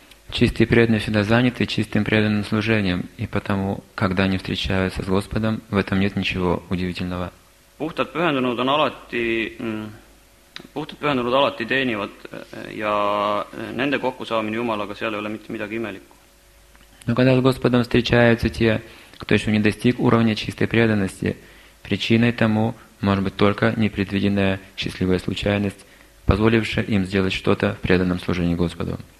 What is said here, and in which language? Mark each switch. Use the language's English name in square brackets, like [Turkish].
[Russian] Чистые преданные всегда заняты чистым преданным служением, и потому, когда они встречаются с Господом, в этом нет ничего удивительного. [Estonian] Puhtad pühendunud on alati teenivad ja nende kokkusaamine Jumalaga seal ei ole mitte midagi imelikku. [Russian] Но когда с Господом встречаются те, кто еще не достиг уровня чистой преданности, причиной тому может быть только непредвиденная счастливая случайность, позволившая им сделать что-то в преданном служении Господу.